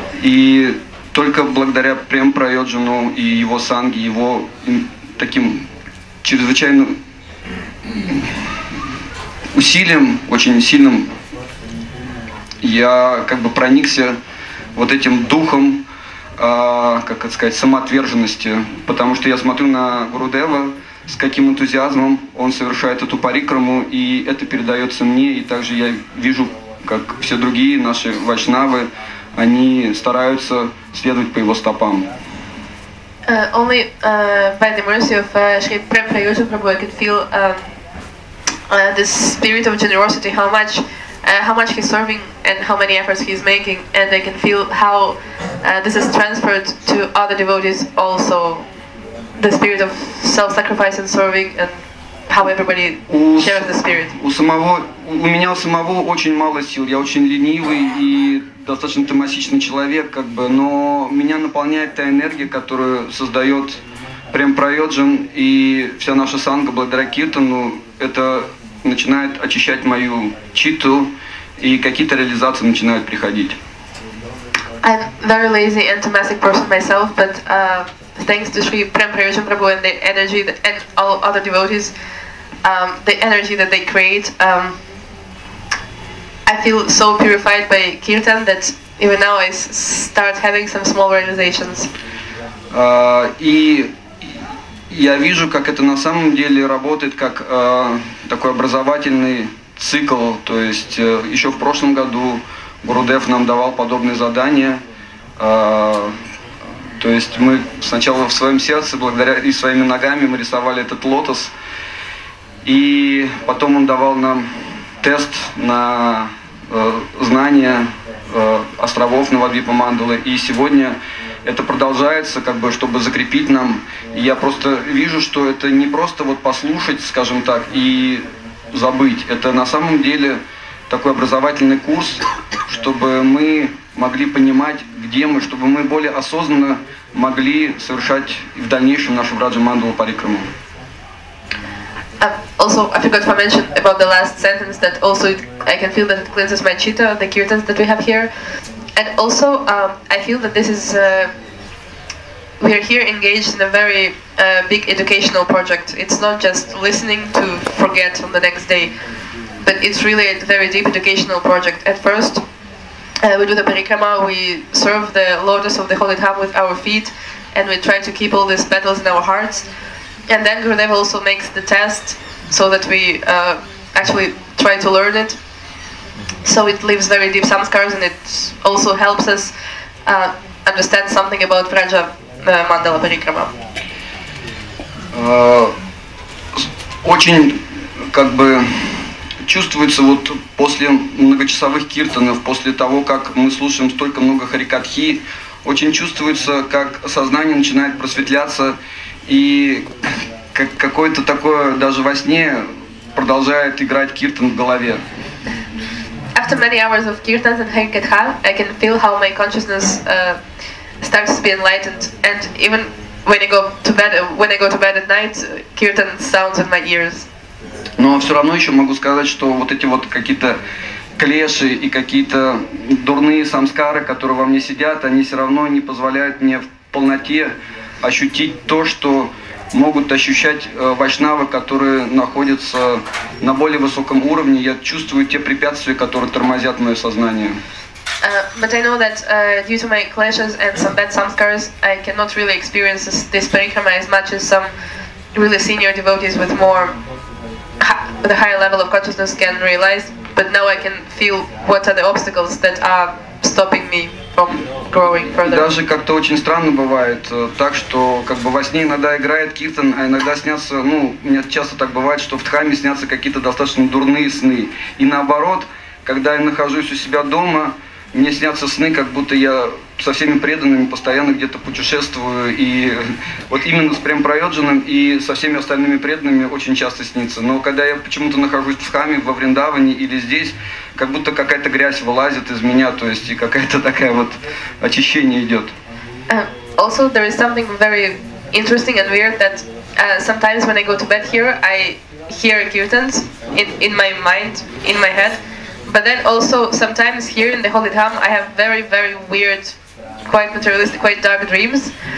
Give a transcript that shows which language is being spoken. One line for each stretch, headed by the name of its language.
Russian: И только благодаря Прем Прайоджану и его санге, его таким чрезвычайно усилием, очень сильным, я как бы проникся вот этим духом, как это сказать, самоотверженности. Потому что я смотрю на Гурудева, с каким энтузиазмом он совершает эту парикраму, и это передается мне. И также я вижу, как все другие наши вайшнавы, они стараются следовать по его стопам.
English: Only by the mercy of Shri Prem Prayuja Prabhu, I could feel this spirit of generosity, how much he's serving and how many efforts he's making, and I can feel how this is transferred to other devotees also, the spirit of self-sacrifice and serving, and how everybody shares the spirit.
Russian: У меня у самого очень мало сил, я очень ленивый и достаточно тамасичный человек, как бы, но меня наполняет та энергия, которую создает Прем Прайоджан, и вся наша санга благодаря киртану, это начинает очищать мою читу, и какие-то реализации начинают приходить.
English: I'm very lazy and tamasic person myself, but thanks to Sri Prem Prayojan Prabhu and the energy that, and all other devotees, the energy that they create, I feel so purified by kirtan that even now I start having some small realizations.
Russian: И я вижу, как это на самом деле работает, как такой образовательный цикл. То есть еще в прошлом году Гурудев нам давал подобные задания. То есть мы сначала в своем сердце, благодаря и своими ногами, мы рисовали этот лотос. И потом он давал нам тест на знания островов Навадвипа Мандалы. И сегодня это продолжается, как бы, чтобы закрепить нам. И я просто вижу, что это не просто вот послушать, скажем так, и забыть. Это на самом деле такой образовательный курс, чтобы мы могли понимать, где мы, чтобы мы более осознанно могли совершать и в дальнейшем нашу Враджа Мандалу Парикраму.
English: Also, I forgot to mention about the last sentence that also it, I can feel that it cleanses my chitta, the kirtans that we have here. And also, I feel that this is, we are here engaged in a very big educational project. It's not just listening to forget on the next day, but it's really a very deep educational project. At first, we do the parikrama, we serve the lotus of the holy tab with our feet, and we try to keep all these petals in our hearts. And then Gurudev also makes the test so that we actually try to learn it. So it leaves very deep samskaras and it also helps us understand something about Vraja Mandala Parikrama.
Russian: Очень как бы чувствуется вот после многочасовых киртанов, после того, как мы слушаем столько много харикатхи, очень чувствуется, как сознание начинает просветляться. И какое-то такое даже во сне продолжает играть киртан в голове.
English: After many hours of kirtans and harikatha, I can feel how my consciousness starts to be enlightened. And even when I go to bed, at night, kirtan sounds in my ears.
Russian: Но все равно еще могу сказать, что вот эти вот какие-то клеши и какие-то дурные самскары, которые во мне сидят, они все равно не позволяют мне в полноте ощутить то, что могут ощущать вайшнавы, которые находятся на более высоком уровне. Я чувствую те препятствия, которые тормозят мое сознание.
English: But I know that due to my clashes and some bad samskaras, I cannot really experience this parikrama as much as some really senior devotees with more with a higher level of consciousness can realize. But now I can feel what are the obstacles that are stopping me.
Russian: Даже как-то очень странно бывает так, что как бы во сне иногда играет киртан, а иногда снятся, ну, у меня часто так бывает, что в дхамме снятся какие-то достаточно дурные сны. И наоборот, когда я нахожусь у себя дома, мне снятся сны, как будто я со всеми преданными постоянно где-то путешествую. И вот именно с Прем-Прайоджаном и со всеми остальными преданными очень часто снится. Но когда я почему-то нахожусь в Дхамме, во Вриндаване или здесь, как будто какая-то грязь вылазит из меня, то есть и какая-то такая вот очищение идет.
English: Also, there is something very interesting and weird that sometimes when I go to bed here, I hear kirtans in my mind, in my head. But then also sometimes here in the Holy Dham I have very, very weird, quite materialistic, quite dark dreams.